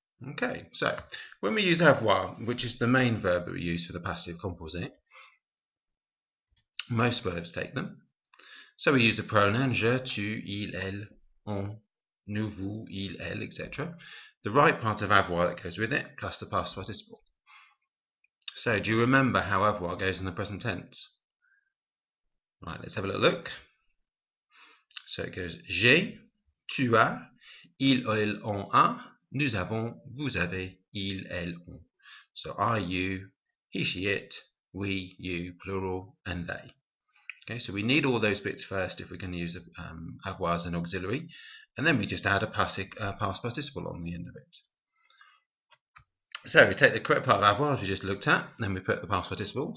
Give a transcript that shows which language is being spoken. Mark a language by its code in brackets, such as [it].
[en] Okay, so when we use avoir, which is the main verb that we use for the passive composé, most verbs take them. So we use the pronoun [fr] je, tu, il, elle, [en] on, nous, vous, il, elle, etc. The right part of avoir that goes with it, plus the past participle. So do you remember how avoir goes in the present tense? Right, let's have a little look. So it goes, [fr] j'ai, tu as, il, elle, on a, nous avons, vous avez, il, elle, on. [en] So I, you, he, she, it, we, you, plural, and they. Okay, so we need all those bits first if we're going to use avoir as an auxiliary, and then we just add a past participle on the end of it. So we take the correct part of avoir as we just looked at, then we put the past participle.